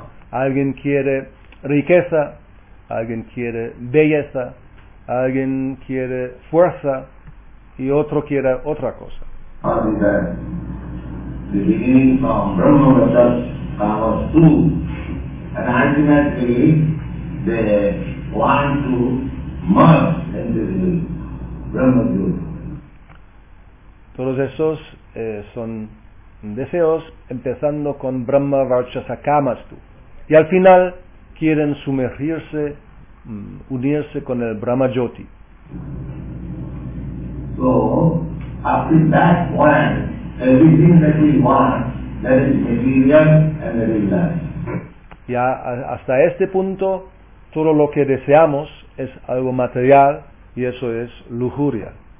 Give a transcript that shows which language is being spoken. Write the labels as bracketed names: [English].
[Spanish] Alguien quiere riqueza, alguien quiere belleza, alguien quiere fuerza y otro quiere otra cosa. [English] And ultimately, they want to merge into the Brahma [Spanish] Yuga. Todos esos son deseos, empezando con Brahma Varchasa Kamastu. Y al final, quieren sumergirse, unirse con el Brahma Jyoti. [English] So, after that point, everything that we want, that is material and material. [Spanish] Ya hasta este punto, todo lo que deseamos es algo material, y eso es lujuria.